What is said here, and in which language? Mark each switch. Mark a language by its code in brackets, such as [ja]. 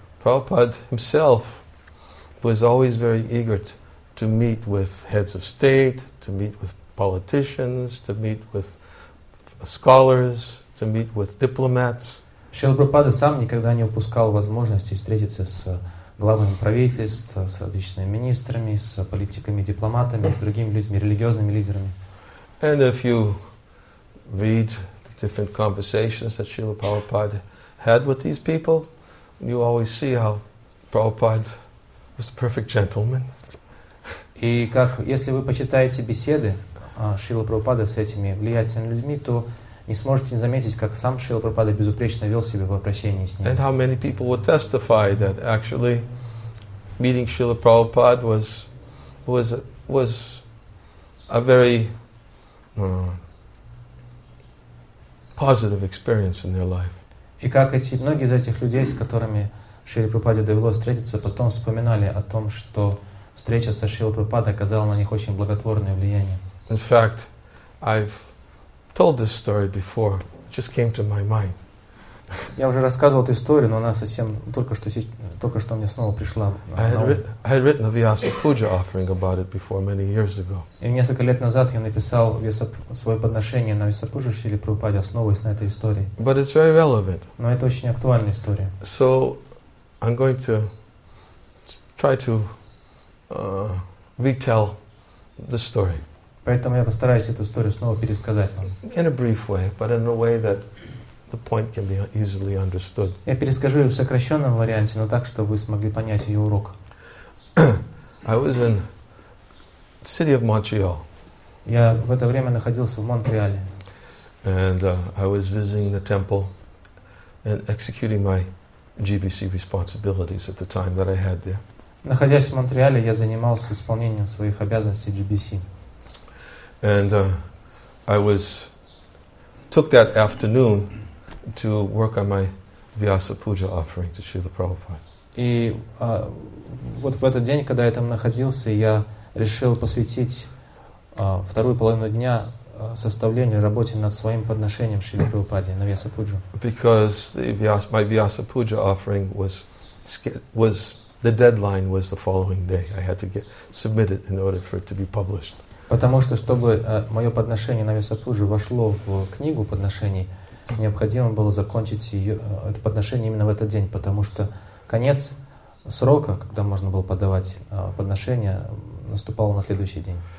[en] Prabhupada himself was always very eager to meet with heads of state, to meet with politicians, to meet with scholars, to meet with diplomats. [ru] Шрила Прабхупада сам никогда не упускал возможности встретиться с главами правительств, с различными министрами, с политиками, дипломатами, с другими людьми, религиозными лидерами. [en] And if you read the different conversations that Srila Prabhupada had with these people, you always see how Prabhupada was the perfect gentleman. [ru] И как, если вы почитаете беседы Шрилы Прабхупады с этими влиятельными людьми, то не сможете не заметить, как сам Шрила Прабхупада безупречно вел себя в обращении с ним. [en] And how many people would testify that actually meeting Srila Prabhupada was a very positive experience in their life. [ru] И как эти многие из этих людей, с которыми Шрила Прабхупаде довелось встретиться, потом вспоминали о том, что встреча со Шрилой Прабхупадой оказала на них очень благотворное влияние. [en] In fact, I've told this story before. It just came to my mind. [ru] Я уже рассказывал эту историю, но она совсем только что мне снова пришла. [en] I had written a Vyasa Puja offering about it before many years ago. [ru] И несколько лет назад я написал свое подношение на Vyasa Puja Шрилы Прабхупаде, основываясь на этой истории. [en] But it's very relevant. [ru] Но это очень актуальная история. [en] So I'm going to try to retell the story. [ru] Поэтому я постараюсь эту историю снова пересказать вам. [en] In a brief way, but in a way that the point can be easily understood. [ru] Я перескажу ее в сокращенном варианте, но так, чтобы вы смогли понять ее урок. [en] I was in the city of Montreal. [ru] Я в это время находился в Монреале. [en] And I was visiting the temple and executing my GBC responsibilities at the time that I had there. [ru] Находясь в Монреале, я занимался исполнением своих обязанностей GBC. [en] And I took that afternoon to work on my Vyasa Puja offering to Srila Prabhupada. [ru] И вот в этот день, когда я там находился, я решил посвятить вторую половину дня составлению, работе над своим подношением Шриле Прабхупаде на Vyasa Puja. [en] Because my Vyasa Puja offering was the deadline was the following day. I had to get submitted in order for it to be published. [ru] Потому что, чтобы мое подношение на Vyasa Puja вошло в книгу подношений, необходимо было закончить это подношение именно в этот день, потому что конец срока, когда можно было подавать подношение, наступал на следующий день.